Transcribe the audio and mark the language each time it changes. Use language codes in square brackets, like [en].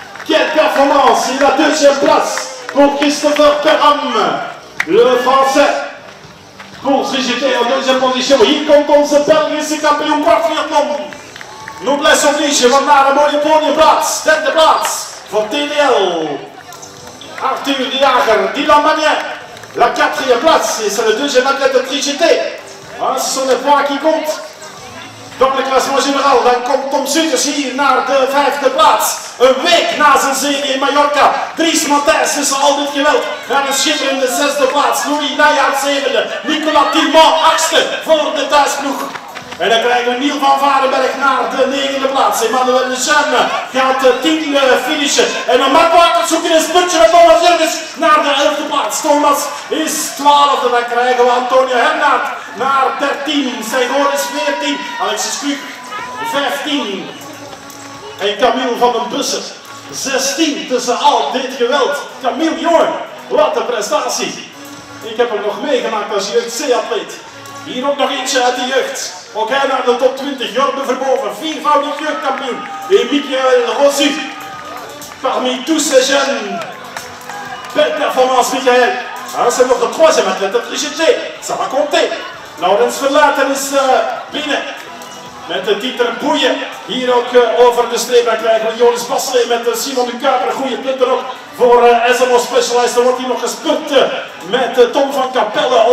[fr] Quelle performance in la deuxième place pour Christopher Perham, le Français. Pour CGT en deuxième position, [nl] hier komt onze Belgische kampioen Quartfinal. [fr] Noblesse oblige, [nl] want naar een mooie podiumplaats, derde plaats van TDL. [fr] Arthur de Jager, Dylan Magnet, la quatrième place, c'est le deuxième athlète de CGT. Ah, ce sont les points qui comptent. Dans le classement général, [nl] dan komt Tom Sutters hier naar de vijfde plaats. Een week na zijn zege in Mallorca. Dries Matthijs tussen al dit geweld. Naar een schitterende zesde plaats. Louis Nijhaard zevende. Nicolas Thiemann achtste voor de thuisploeg. En dan krijgen we Niel van Varenberg naar de negende plaats. Emmanuel de Schuyne gaat de tiende finishen. En dan Mark Waters zoekt in een sputje met Thomas Jurgens naar de elfde plaats. Thomas is twaalfde. Dan krijgen we Antonio Hernaert naar dertien. Seygoor is veertien. Alexis Kluuk vijftien. En Camille van den Bussen, 16 tussen al dit geweld. Camille Jorn, wat een prestatie. Ik heb hem nog meegemaakt als jeugd-C-atleet. Hier ook nog eentje uit de jeugd. Ook hij naar de top 20. Jorn Verboven, viervoudig jeugdkampioen. [fr] Et Michael Rossi, parmi tous ces jeunes. Belle performance, Michael. [nl] Dat zijn nog de [fr] troisième athlète de GT. Ça va compter. [nl] Laurens Verlaten is binnen. Met de titel Boeien, hier ook over de streep. Dan krijgen we Joris Basselee met Simon de Kuiper. Goede punt erop voor SMO Specialized. Dan wordt hij nog gespurt met Tom van Capelle.